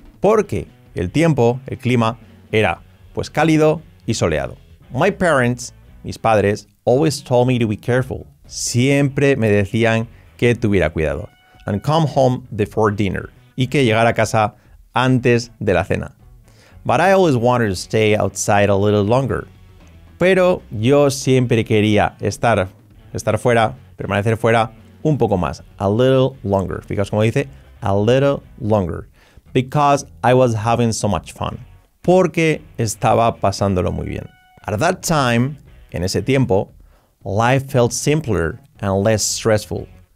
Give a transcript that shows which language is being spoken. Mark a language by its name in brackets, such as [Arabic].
[Spanish] Porque el tiempo, el clima, era pues cálido y soleado. [English] My parents, [Spanish] mis padres, [English] always told me to be careful. [Spanish] Siempre me decían que tuviera cuidado. [English] And come home before dinner. [Spanish] Y que llegara a casa antes de la cena. [English] But I always wanted to stay outside a little longer. [Spanish] Pero yo siempre quería estar fuera, permanecer fuera un poco más. [English] A little longer. [Spanish] Fijaos como dice, [English] a little longer. Because I was having so much fun. [Spanish] Porque estaba pasándolo muy bien. [English] At that time, [Spanish] en ese tiempo, [English] life felt simpler and less stressful.